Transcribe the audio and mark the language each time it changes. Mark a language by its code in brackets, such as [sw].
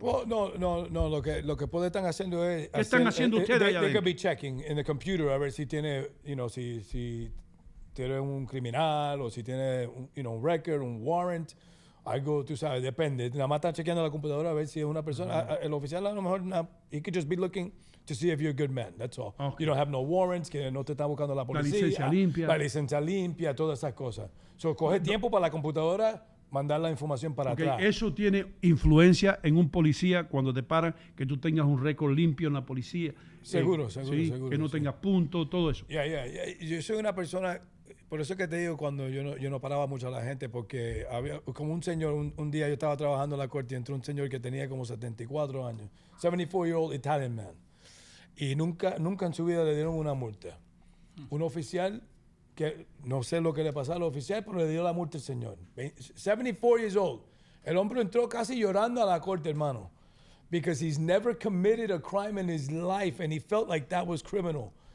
[es] Lo que puede estar haciendo es... ¿Qué están haciendo ustedes allá? [en] They could be checking in the computer [es] a ver si tiene, si tiene un criminal o si tiene, un record, un warrant, algo, tú sabes, depende. Nada más están chequeando la computadora a ver si es una persona. Uh-huh. El oficial a lo mejor, [en] he could just be looking to see if you're a good man, that's all. Okay. You don't have no warrants, [es] que no te está buscando la policía. La licencia limpia, todas esas cosas. So, coge tiempo para la computadora... mandar la información para atrás. ¿Eso tiene influencia en un policía cuando te paran, que tú tengas un récord limpio en la policía? Seguro. Que no tengas puntos, todo eso. [en] Yeah. [es] Yo soy una persona, por eso que te digo, cuando yo no paraba mucho a la gente, porque había como un señor, un día yo estaba trabajando en la corte y entró un señor que tenía como 74 años, [en] 74-year-old Italian man, [es] y nunca en su vida le dieron una multa. Un oficial... que no sé lo que le pasó al oficial, pero le dio la multa al señor. [en] 74 years old. [es] El hombre entró casi llorando a la corte, hermano. [en] Because he's never committed a crime in his life and he felt like that was criminal.